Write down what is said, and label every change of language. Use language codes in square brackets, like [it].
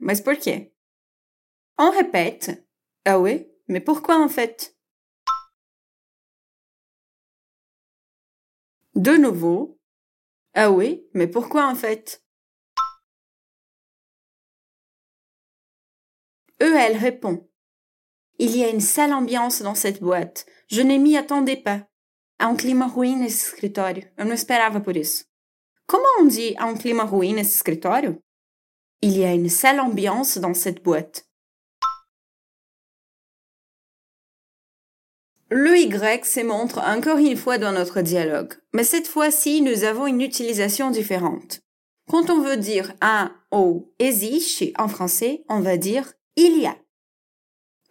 [fr] Mais pourquoi ?» On répète « Ah oui, mais pourquoi en fait ?» De nouveau « Ah oui, mais pourquoi en fait ?» Elle répond « Il y a une sale ambiance dans cette boîte. Je ne m'y attendais pas. [pt] » Há um clima ruim nesse escritório. Eu não esperava por isso. Como [fr] on dit [pt] há um clima ruim nesse escritório? [fr] Il y a une sale ambiance dans cette boîte. Le Y se montre encore une fois dans notre dialogue. Mais cette fois-ci, nous avons une utilisation différente. Quand on veut dire « un » ou « existe » en français, on va dire « il y a ».